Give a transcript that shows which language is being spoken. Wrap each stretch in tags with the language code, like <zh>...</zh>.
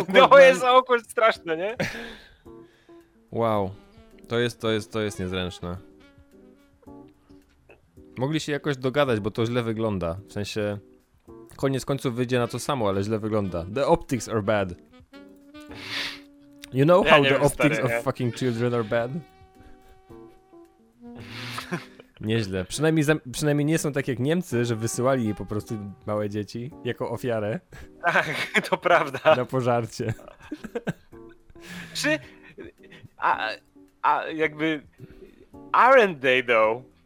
<pl>To jest awkward straszne, nie? Wow. To jest niezręczne. Mogli się jakoś dogadać, bo to źle wygląda. W sensie, koniec końców wyjdzie na to samo, ale źle wygląda.</pl> <en>The optics are bad. You know how the optics of fucking children are bad?</en> <pl>Nieźle. Przynajmniej nie są tak jak Niemcy, że wysyłali po prostu małe dzieci jako ofiarę. Tak, to prawda. Na pożarcie. Czy...</pl> <en>jakby... Aren't they though?</en>